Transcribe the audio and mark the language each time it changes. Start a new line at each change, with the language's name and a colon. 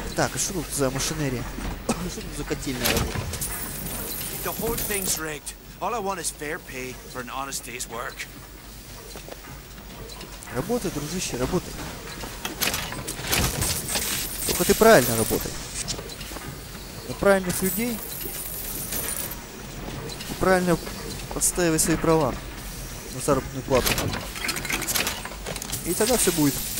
Russian: Так, а что тут за машинерия? Что тут за котельная работа?
English: The whole thing's rigged. All I want is fair pay for an honest day's work.
Russian: Работай, дружище, работай. Только ты правильно работай. Правильных людей и правильно отстаивай свои права на заработную плату, и тогда все будет.